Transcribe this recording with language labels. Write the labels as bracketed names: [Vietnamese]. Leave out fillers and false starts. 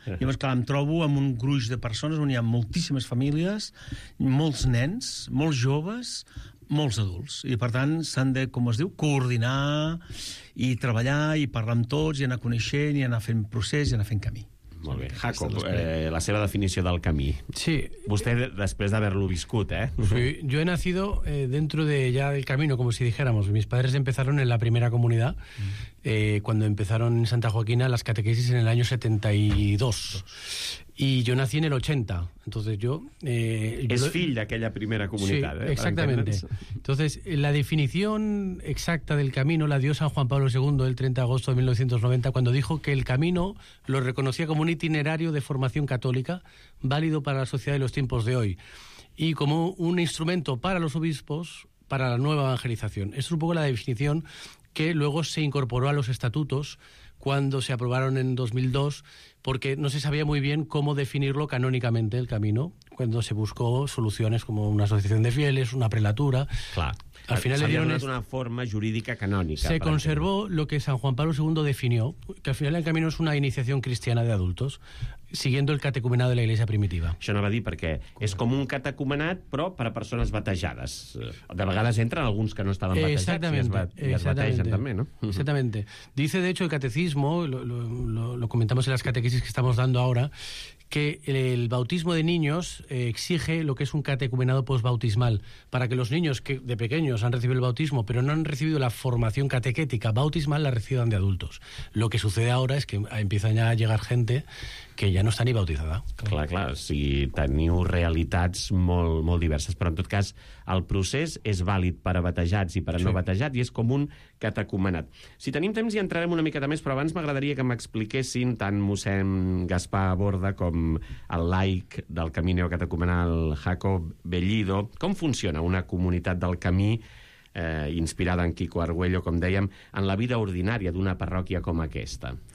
[Catalan] Llavors, clar, em trobo amb un gruix de persones on hi ha moltíssimes famílies, molts nens, molts joves, molts adults, i per tant s'han de, com es diu, coordinar i treballar i parlar amb tots i anar coneixent i anar fent procés i anar fent camí. Molt bé. Jacob, la seva definició del camí. Sí. Vostè, després d'haver-lo viscut, ¿eh? [Spanish] Sí, yo he nacido dentro de ya del camino, como si dijéramos. Mis padres empezaron en la primera comunidad, cuando empezaron en Santa Joaquina las catequesis en el año 72. Y yo nací en el 80, entonces yo... [Catalan] fill d'aquella primera comunitat. Sí, ¿eh? [Spanish] Exactamente. Entonces, la definición exacta del camino la dio San Juan Pablo II el 30 de agosto de 1990, cuando dijo que el camino lo reconocía como un itinerario de formación católica válido para la sociedad de los tiempos de hoy y como un instrumento para los obispos para la nueva evangelización. Esa es un poco la definición que luego se incorporó a los estatutos cuando se aprobaron en 2002, porque no se sabía muy bien cómo definirlo canónicamente, el camino, cuando se buscó soluciones como una asociación de fieles, una prelatura... Claro. Al final le dieron una forma jurídica canónica. Se conservó lo que San Juan Pablo II definió, que al final el camino es una iniciación cristiana de adultos, siguiendo el catecumenado de la Iglesia primitiva. [Catalan] Això no va dir perquè és com un catecumenat, però per a persones batejades. De vegades entren alguns que no estaven batejats i es bategen també, no? [Spanish] Exactamente. Dice, de hecho, el catecismo, lo comentamos en las catequesis que estamos dando ahora, que el bautismo de niños exige lo que es un catecumenado postbautismal, para que los niños que de pequeños han recibido el bautismo, pero no han recibido la formación catequética bautismal, la reciban de adultos. Lo que sucede ahora es que empiezan ya a llegar gente que [Catalan] ja no està ni bautitzada. Clar, clar, o sigui, teniu realitats molt, molt diverses, però en tot cas el procés és vàlid per a batejats i per a no batejats i és com un catecumenat. Si tenim temps hi entrarem una mica més, però abans m'agradaria que m'expliquessin tant mossèn Gaspar Borda com el laic del camí neocatecumenal Jacob Bellido, com funciona una comunitat del camí inspirada en Quico Argüello, com dèiem, en la vida ordinària d'una parròquia com aquesta.